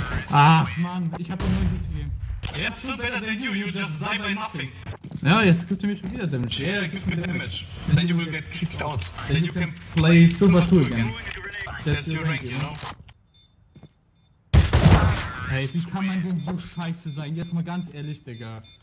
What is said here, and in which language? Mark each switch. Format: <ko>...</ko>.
<de>Ah, man, ich hab nur dieses Game.</de> <en>Yeah, still better than you, you just die by nothing.</en> <de>Ja, jetzt gibt er mir schon wieder Damage.</de> <en>Yeah, give me damage. And then you will get kicked out. Then you can play Silver 2 again. That's your rank, you know?</en> <de>Ey, wie kann man denn so scheiße sein? Jetzt mal ganz ehrlich, Digga.</de>